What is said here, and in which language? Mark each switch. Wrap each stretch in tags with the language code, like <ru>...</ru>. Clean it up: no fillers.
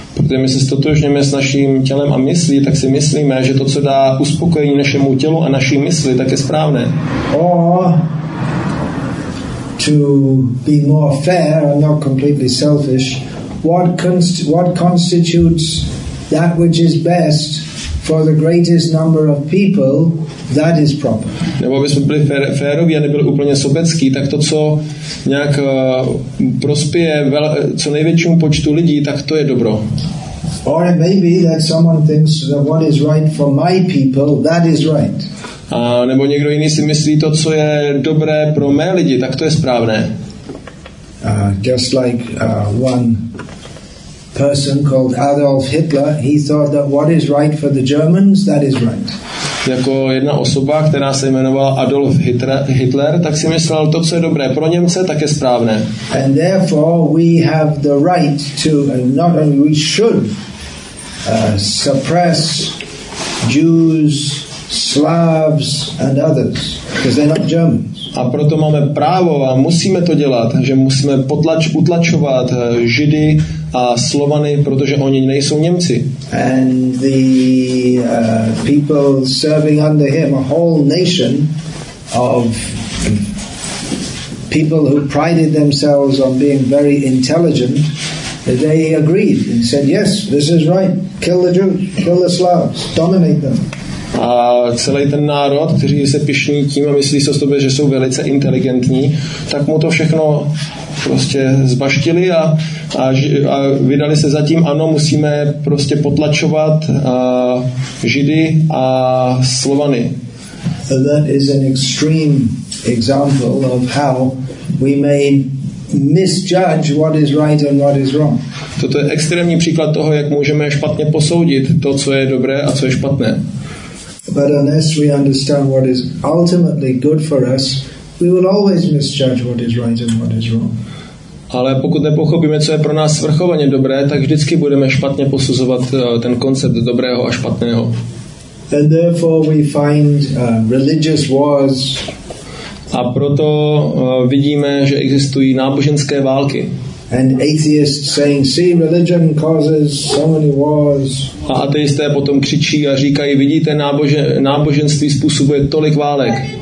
<cs>Protože my se stotožňujeme s naším tělem a myslí, tak si myslíme, že to, co dá uspokojení našemu tělu a naší mysli, tak je správné.</cs> <en>Or to be more fair and not completely selfish, what constitutes that which is best for the greatest number of people, that is proper.</en> <cs>Nebo abychom byli féroví a nebyli úplně sobecký, tak to, co nějak prospěje co největšímu počtu lidí, tak to je dobro.</cs> <en>Or maybe that someone thinks that what is right for my people, that is right.</en> <cs>A nebo někdo jiný si myslí, to, co je dobré pro mé lidi, tak to je správné.</cs> <en>Just like one person called Adolf Hitler, he thought that what is right for the Germans, that is right.</en> <cs>Jako jedna osoba, která se jmenovala Adolf Hitler, tak si myslel, to, co je dobré pro Němce, tak je správné.</cs> <en>And therefore we have the right to, not only we should suppress Jews, Slavs and others, because they're not Germans.</en> <cs>A proto máme právo a musíme to dělat, že musíme utlačovat Židy a Slovany, protože oni nejsou Němci.</cs> <en>And the people serving under him, a whole nation of people who prided themselves on being very intelligent, they agreed and said, yes, this is right. Kill the Jews, kill the Slavs, dominate them.</en> <cs>A celý ten národ, kteří se pyšní tím a myslí se o sobě, že jsou velice inteligentní, tak mu to všechno prostě zbaštili a vydali se za tím, ano, musíme prostě potlačovat Židy a Slovany.</cs> <en>That is an extreme example of how we may misjudge what is right and what is wrong.</en> <cs>Toto je extrémní příklad toho, jak můžeme špatně posoudit to, co je dobré a co je špatné.</cs> <en>But unless we understand what is ultimately good for us, we will always misjudge what is right and what is wrong.</en> <cs>Ale pokud nepochopíme, co je pro nás vrchovaně dobré, tak vždycky budeme špatně posuzovat ten koncept dobrého a špatného.</cs> <en>And therefore we find religious wars.</en> <cs>A proto vidíme, že existují náboženské války.</cs> <en>And atheists saying, see, religion causes so many wars.</en> <cs>A ateisté potom křičí a říkají, vidíte, náboženství způsobuje tolik válek.</cs>